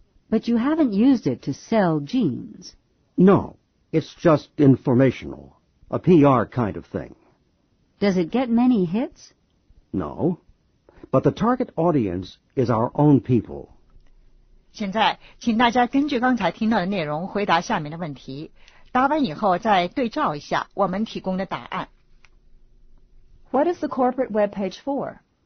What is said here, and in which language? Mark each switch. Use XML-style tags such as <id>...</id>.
<en>But you haven't used it to sell jeans. No, it's just informational. A PR kind of thing. Does it get many hits? No. But the target audience is our own people.</en> <zh>现在请大家根据刚才听到的内容回答下面的问题。答完以后再对照一下我们提供的答案。</zh> <en>What is the corporate web page for?</en>